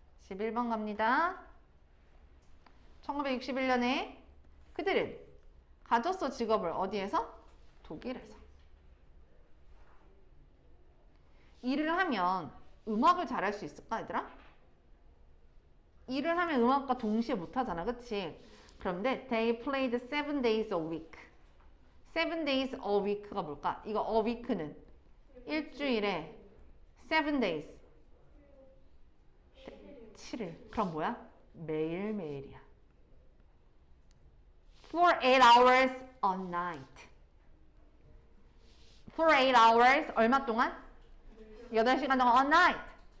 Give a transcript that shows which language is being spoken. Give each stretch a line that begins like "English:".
Korean: 11번 갑니다. 1961년에 그들은 가졌어 직업을 어디에서? 독일에서. 일을 하면 음악을 잘할 수 있을까 얘들아? 일을 하면 음악과 동시에 못하잖아, 그치? 그런데
English: they played 7 days a week. 7 days a week가
Korean: 뭘까? 이거 a week는 일주일에 7 days 7일. 그럼 뭐야? 매일매일이야.
English: For 8 hours a night. For 8 hours
Korean: 얼마 동안? 8시간 동안
English: a night.